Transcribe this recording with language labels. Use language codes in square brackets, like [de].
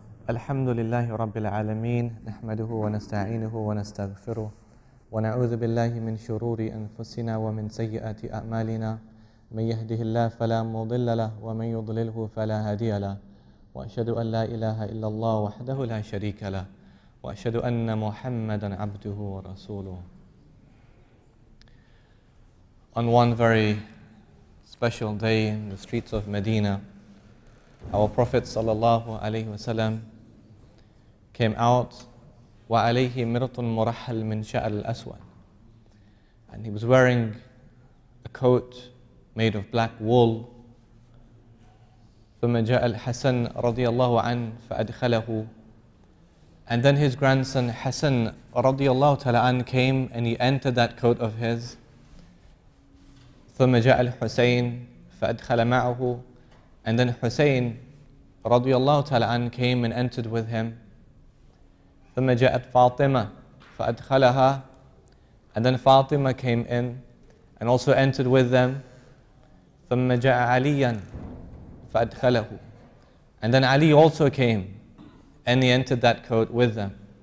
[ar] الحمد لله رب العالمين نحمده ونستعينه ونستغفره ونعوذ بالله من شرور أنفسنا ومن سيئات أعمالنا من يهده الله فلا مضل له ومن يضلله فلا هادي له وأشهد أن لا إله إلا الله وحده لا شريك له وأشهد أن محمدا عبده ورسوله. [en] On one very special day in the streets of Medina, our Prophet صلى الله عليه وسلم came out, وَعَلَيْهِ مِرْطٌ مُرَحَّلْ مِنْ شَأْلِ الْأَسْوَدِ, and he was wearing a coat made of black wool. ثُمَّ جَاءَ الْحَسَنُ رَضِيَ اللَّهُ عَنْ فَأَدْخَلَهُ, and then his grandson Hassan رَضِيَ اللَّهُ تَعَالَى عَنْ came and he entered that coat of his. ثُمَّ جَاءَ الْحُسَيْنُ فَأَدْخَلَ مَعَهُ, and then Husayn رَضِيَ اللَّهُ تَعَالَى عَنْ came and entered with him. ثُمَّ جَاءَتْ فَاطِمَةَ فَأَدْخَلَهَا, and then Fatima came in and also entered with them. ثُمَّ جَاءَ عَلِيًّا فَأَدْخَلَهُ, and then Ali also came and he entered that coat with them.